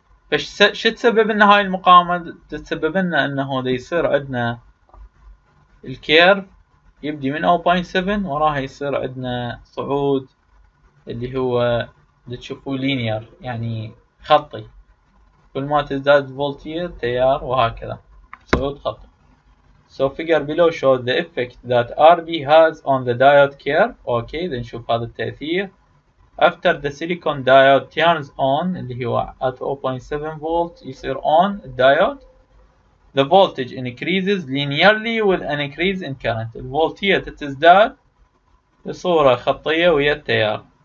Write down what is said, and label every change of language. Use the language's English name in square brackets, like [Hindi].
[Arabic] فش شو تسبب لنا هاي المقاومة؟ تسبب لنا انه دا يصير عندنا الكيرف يبدي من 0.7 وراها يصير عندنا صعود اللي هو دا تشوفوه لينير يعني خطي، كل ما تزداد فولتية تيار وهكذا صعود خطي. [English] So figure below shows the effect that RB has on the diode curve. [Arabic] اوكي دا نشوف هذا التأثير. [English] After the silicon diode turns on, [Arabic] اللي هو [English] at 0.7 volt [Arabic] يصير [English] on diode, the voltage increases linearly with an increase in current. [Arabic] الفولتية تزداد بصورة خطية ويا التيار.